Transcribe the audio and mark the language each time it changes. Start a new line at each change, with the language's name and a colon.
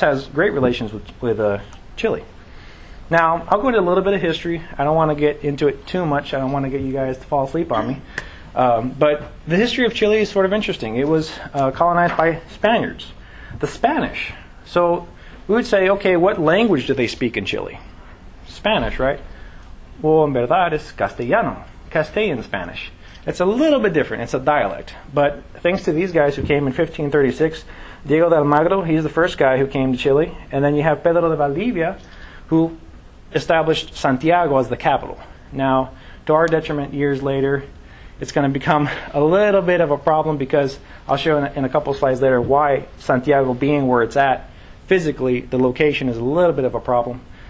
English: has great relations with Chile. Now, I'll go into a little bit of history. I don't want to get into it too much. I don't want to get you guys to fall asleep on me. But the history of Chile is sort of interesting. It was colonized by Spaniards, the Spanish. So we would say, okay, what language do they speak in Chile? Spanish, right?
Spanish: Well, en verdad es castellano.
English: Castilian Spanish. It's a little bit different. It's a dialect. But thanks to these guys who came in 1536, Diego de Almagro, he's the first guy who came to Chile. And then you have Pedro de Valdivia, who established Santiago as the capital. Now, to our detriment, years later, it's going to become a little bit of a problem because I'll show in a couple slides later why Santiago being where it's at, physically, the location is a little bit of a problem.